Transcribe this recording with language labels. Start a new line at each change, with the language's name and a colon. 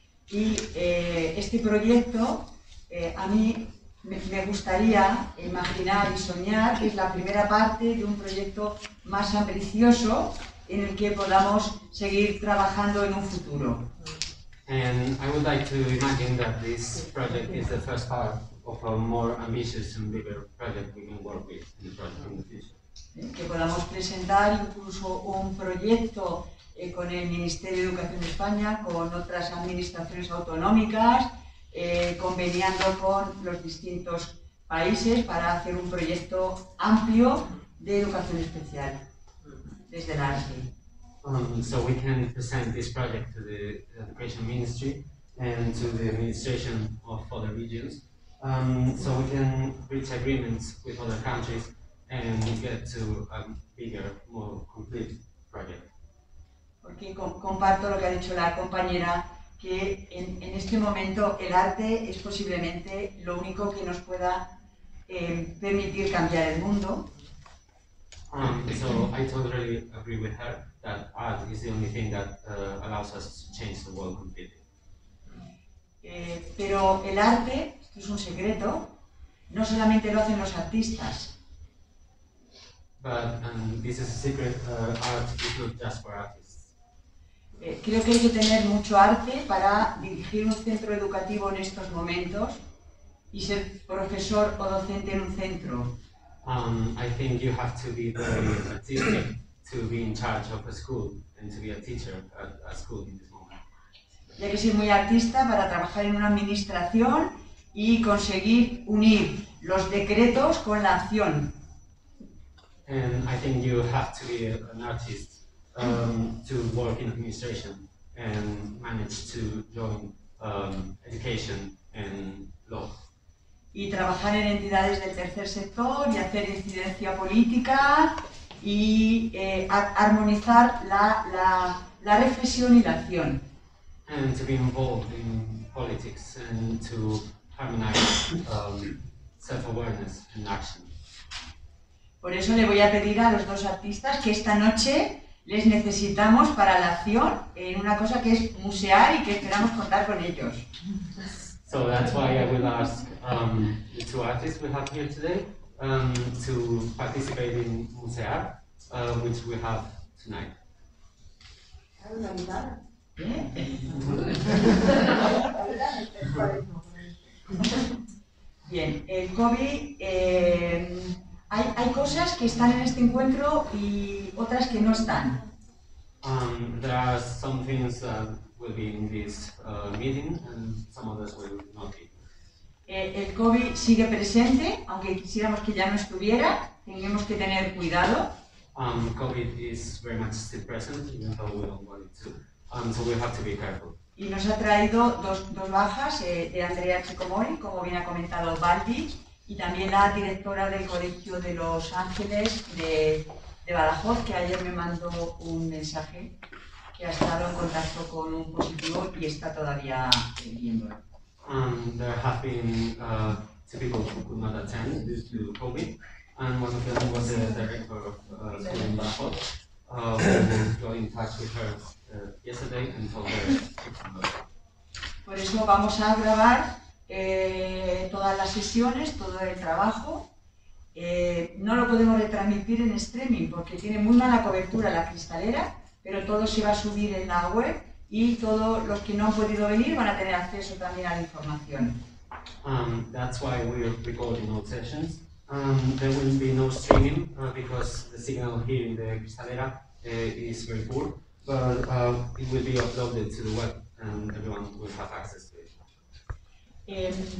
Spanish: Y este proyecto, a mí me gustaría imaginar y soñar que es la primera parte de un proyecto más ambicioso en el que podamos seguir trabajando en un futuro.
English: And I would like to imagine that this project is the first part of a more ambitious and bigger project we can work with in the project in the future.
Spanish: Que podamos presentar incluso un proyecto con el Ministerio de Educación de España, con otras administraciones autonómicas, conveniendo con los distintos países para hacer un proyecto amplio de educación especial desde la ASI.
English: So we can present this project to the Education Ministry and to the administration of other regions. So we can reach agreements with other countries and get to a bigger, more complete project.
Spanish: Porque comparto lo que ha dicho la compañera, que en este momento el arte es posiblemente lo único que nos pueda permitir cambiar el mundo.
English: So I totally agree with her that art is the only thing that allows us to change the world completely.
Spanish: Pero el arte, esto es un secreto, no solamente lo hacen los artistas.
English: But this is a secret, art is not just for artists.
Spanish: Creo que hay que tener mucho arte para dirigir un centro educativo en estos momentos y ser profesor o docente en un centro.
English: I think you have to be very artistic to be in charge of a school and to be a teacher at a school in this moment.
Spanish: Y hay que ser muy artista para trabajar en una administración y conseguir unir los decretos con la acción.
English: And I think you have to be an artist to work in administration and manage to join education and law.
Spanish: Y trabajar en entidades del tercer sector y hacer incidencia política y armonizar la reflexión y la acción.
English: And to be involved in politics and to harmonize self-awareness and action.
Spanish: Por eso le voy a pedir a los dos artistas que esta noche les necesitamos para la acción en una cosa que es musear y que esperamos contar con ellos.
English: So that's why I will ask the two artists we have here today to participate in Musear, which we have tonight.
Spanish: Bien, Kobe, hay cosas que están en este encuentro y otras que no están.
English: There are some things that will be in this meeting and some others will not be.
Spanish: El COVID sigue presente, aunque quisiéramos que ya no estuviera, tenemos que tener cuidado.
English: COVID is very much still present, even though we don't want it to. So we have to be careful.
Spanish: Y nos ha traído dos bajas, de Andrea Chicomori, como bien ha comentado Baldi, y también la directora del Colegio de Los Ángeles de Badajoz, que ayer me mandó un mensaje que ha estado en contacto con un positivo y está todavía viéndolo.
English: There have been two people who could not attend due to COVID, and one of them was the director of school in Badajoz. We got in touch with her yesterday and told her.
Spanish: Por eso vamos a grabar todas las sesiones, todo el trabajo. No lo podemos retransmitir en streaming porque tiene muy mala cobertura la cristalera, pero todo se va a subir en la web. Y todos los que no han podido venir van a tener acceso también a la información.
English: That's why we are recording all sessions. There will be no streaming because the signal here in the cristalera is very poor, but it will be uploaded to the web and everyone will have access to it.